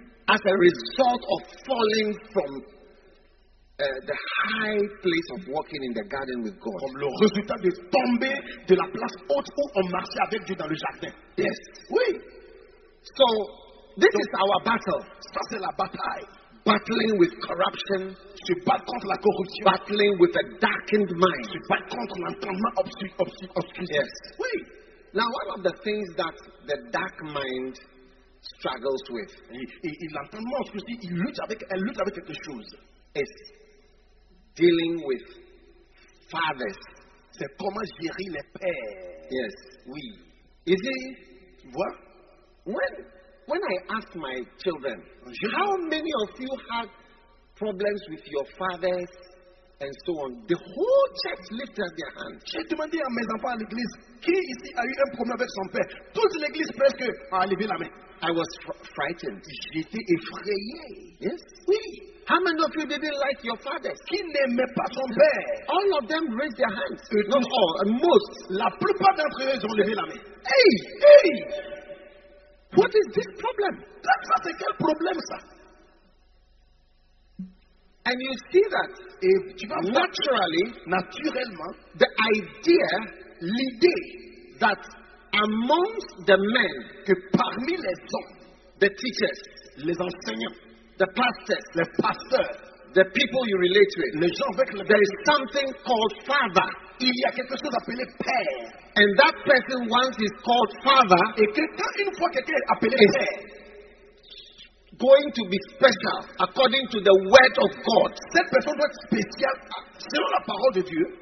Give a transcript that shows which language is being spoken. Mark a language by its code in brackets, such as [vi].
[en] As a result of falling from the high place of walking in the garden with God. [fr] Comme le résultat de tomber de la place haute où on marchait avec Dieu dans le jardin. [en] Yes. [fr] Oui. [en] So, this is our battle. [fr] Ça, c'est la bataille. [en] Battling with corruption. [fr] Se battre contre la corruption. [en] Battling with a darkened mind. [fr] Se battre contre l'entendement obscurci. [en] Yes. [fr] Oui. [en] Now, one of the things that the dark mind struggles with. [fr] Il entend moi ce que je dis. Il lutte avec. Elle lutte avec quelque chose. [en] Is dealing with fathers. [fr] C'est comment gérer les pères. [en] Yes. [fr] Oui. [en] Is it? What? When I ask my children, how many of you had problems with your fathers and so on? The whole church lifted up their hands. [fr] J'ai demandé à mes enfants à l'église qui ici a eu un problème avec son père. Toute l'église presque a levé la main. [en] I was frightened. [fr] J'étais effrayé. [en] Yes? [fr] Oui. [en] How many of you didn't like your father? [fr] Qui n'aimait pas son père? [en] All of them raised their hands. Most. [fr] La plupart d'entre eux ont levé la main. Hey! Hey! [en] What is this problem? [fr] Ça, c'est quel problème, ça? [en] And you see that [fr] naturellement, [en] the idea, [fr] l'idée, [en] that amongst the men, [fr] que parmi les hommes, [en] the teachers, [fr] les enseignants, [en] the pastors, [fr] les pasteurs, [en] the people you relate with, [fr] les gens avec les [en] there is something called father. [fr] Il y a quelque chose appelé père. [en] And that person once is called father, [fr] et que quand une fois quelqu'un est appelé père, [en] going to be special according to the word of God. [fr] Cette personne doit être spéciale selon la parole de Dieu.